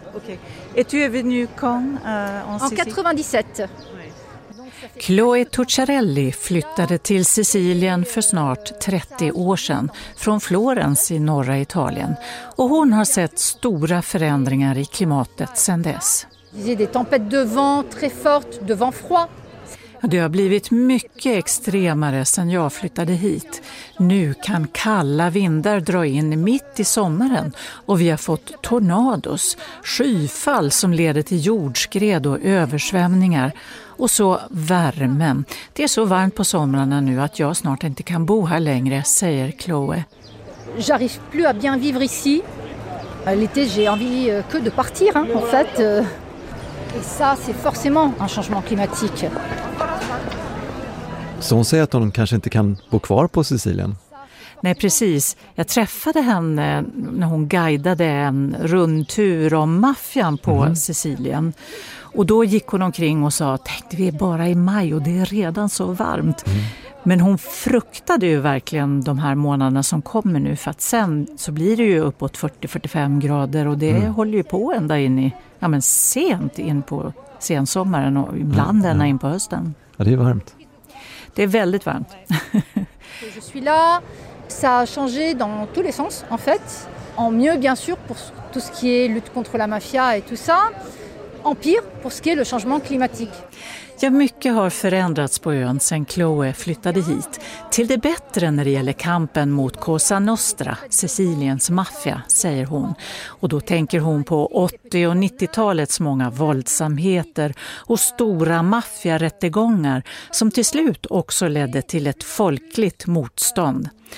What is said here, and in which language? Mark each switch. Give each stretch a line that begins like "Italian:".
French: Okay. Et tu es venu quand en Sicilien? En 97.
Swedish: Chloé Tucciarelli flyttade till Sicilien för snart 30 år sedan från Florens i norra Italien. Och hon har sett stora förändringar i klimatet sedan dess.
French: Des tempêtes de vent très fortes, de vent froid.
Swedish: Det har blivit mycket extremare sedan jag flyttade hit. Nu kan kalla vindar dra in mitt i sommaren och vi har fått tornados, skyfall som leder till jordskred och översvämningar. Och så värmen. Det är så varmt på somrarna nu att jag snart inte kan bo här längre, säger Chloé.
French: J'arrive plus à bien vivre ici. L'été j'ai envie que de partir hein, en fait. Et ça c'est forcément un changement climatique.
Swedish: Så hon säger att hon kanske inte kan bo kvar på Sicilien. Nej, precis. Jag träffade henne när hon guidade en rundtur om maffian på Sicilien. Och då gick hon omkring och sa, tänkte vi är bara i maj och det är redan så varmt. Mm. Men hon fruktade ju verkligen de här månaderna som kommer nu, för att sen så blir det ju uppåt 40-45 grader och det håller ju på ända in i, ja men sent in på sensommaren och ibland ända in på hösten. Ja, det är varmt. Det är väldigt varmt.
French: Je suis là. Ça a changé dans tous les sens en fait, en mieux bien sûr pour tout ce qui est lutte contre la mafia et tout ça, en pire pour ce qui est le changement climatique.
Swedish: Ja, mycket har förändrats på ön sen Chloe flyttade hit. Till det bättre när det gäller kampen mot Cosa Nostra, Siciliens maffia, säger hon. Och då tänker hon på 80- och 90-talets många våldsamheter och stora maffiarättegångar som till slut också ledde till ett folkligt motstånd.